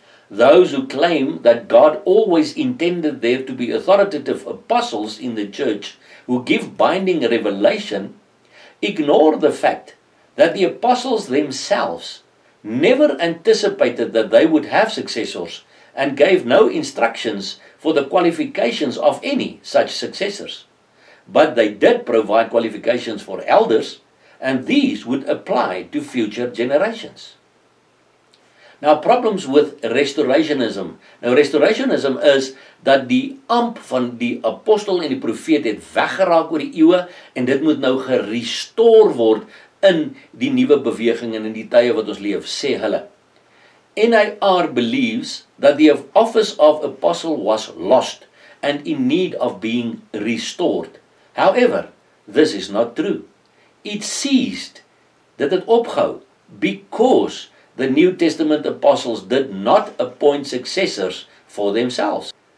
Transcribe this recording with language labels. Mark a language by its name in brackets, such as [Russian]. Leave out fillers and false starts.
[English] Those who claim that God always intended there to be authoritative apostles in the church who give binding revelation ignore the fact that the apostles themselves never anticipated that they would have successors and gave no instructions for the qualifications of any such successors. But they did provide qualifications for elders, and these would apply to future generations. Now, problems with restorationism. [Afrikaans] Now, restorationism is dat die amp van die apostel en die profeet het weggeraak oor die eeuwe, en dit moet nou gerestoor word in die nuwe beweging en in die tye wat ons leef, sê hulle. [English] N.A.R. believes that the office of apostle was lost and in need of being restored. However, this is not true. It ceased, [Afrikaans] dit het opgehou, [English] because the New Testament apostles did not appoint successors for themselves.